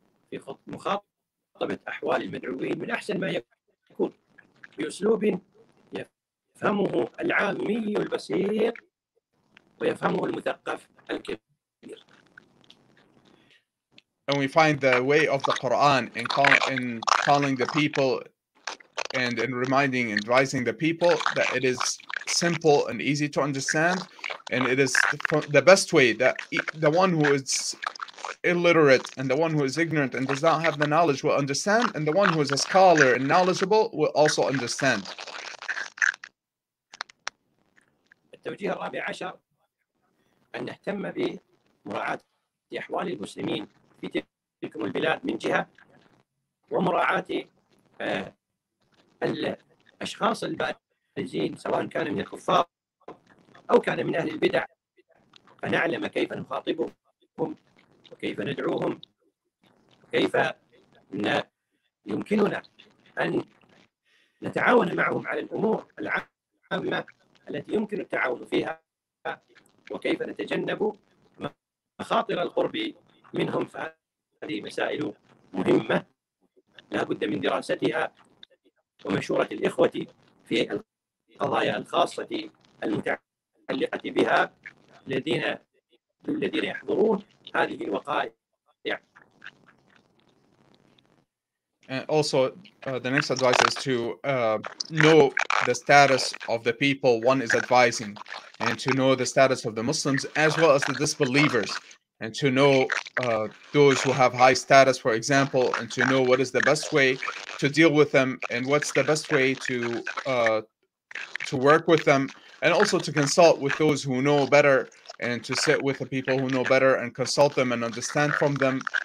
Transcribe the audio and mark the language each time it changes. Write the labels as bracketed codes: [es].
[ar] في مخاطبة أحوال المدعوين من أحسن ما يكون بأسلوب يفهمه العامي البسيط ويفهمه المثقف الكبير. [en] And we find the way of the Quran in calling the people and in reminding and advising the people that it is simple and easy to understand and it is the best way that the one who is illiterate and the one who is ignorant and does not have the knowledge will understand and the one who is a scholar and knowledgeable will also understand. [ar] التوجيه الرابع عشر أن نهتم بمراعاة أحوال المسلمين في تلك البلاد من جهة ومراعاة الأشخاص البارزين سواء كان من الكفار أو كان من أهل البدع فنعلم كيف نخاطبهم وكيف ندعوهم وكيف يمكننا أن نتعاون معهم على الأمور العامة التي يمكن التعاون فيها وكيف نتجنب مخاطر القرب منهم فهذه مسائل مهمة لا بد من دراستها ومشورة الإخوة في القضايا الخاصة المتعلقة بها الذين يحضرون [en] And also, the next advice is to know the status of the people one is advising, and to know the status of the Muslims as well as the disbelievers, and to know those who have high status, for example, and to know what is the best way to deal with them, and what's the best way to work with them, and also to consult with those who know better. And to sit with the people who know better and consult them and understand from them